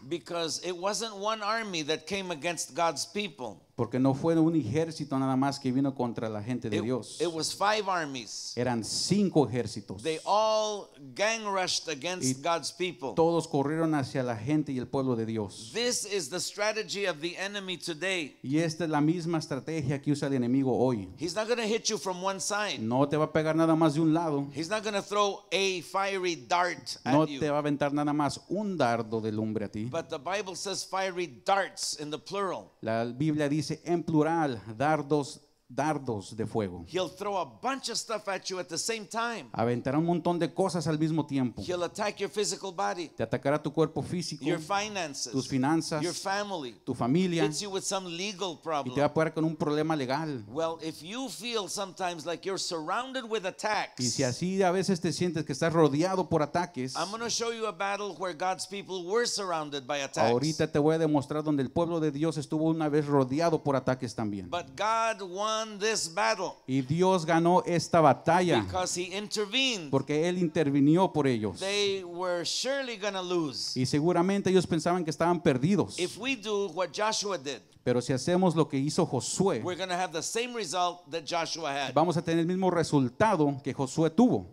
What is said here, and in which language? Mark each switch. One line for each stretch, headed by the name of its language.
English: Because it wasn't one army that came against God's people.
Spanish: Porque no fue un ejército nada más que vino contra la gente de Dios.
English: It was five armies.
Spanish: Eran cinco ejércitos.
English: They all gang rushed against God's people.
Spanish: Todos corrieron hacia la gente y el pueblo de Dios.
English: This is the strategy of the enemy today.
Spanish: Y esta es la misma estrategia que usa el enemigo hoy.
English: He's not going to hit you from one side.
Spanish: No te va a pegar nada más de un lado.
English: He's not going to throw a fiery dart at
Spanish: you. No te va a aventar nada más un dardo de lumbre a ti.
English: But the Bible says fiery darts in the plural.
Spanish: La Biblia dice en plural, dardos dardos de fuego.
English: He'll throw a bunch of stuff at you at the same time.
Spanish: Aventará un montón de cosas al mismo tiempo.
English: He'll attack your physical body.
Spanish: Te atacará tu cuerpo físico.
English: Your finances.
Spanish: Tus finanzas.
English: Your family.
Spanish: Tu familia.
English: Hits you with some legal problem.
Spanish: Y te va a poner con un problema legal.
English: Well, if you feel sometimes like you're surrounded with attacks.
Spanish: Y si así a veces te sientes que estás rodeado por ataques.
English: I'm going to show you a battle where God's people were surrounded by attacks.
Spanish: Ahorita te voy a demostrar donde el pueblo de Dios estuvo una vez rodeado por ataques también.
English: But God wants this battle.
Spanish: Y Dios ganó esta batalla.
English: Because he intervened.
Spanish: Porque él intervino por ellos.
English: They were surely going to lose.
Spanish: Y seguramente ellos pensaban que estaban perdidos.
English: If we do what Joshua did.
Spanish: Pero si hacemos lo que hizo Josué.
English: We're going to have the same result that Joshua had.
Spanish: Vamos a tener el mismo resultado que Josué tuvo.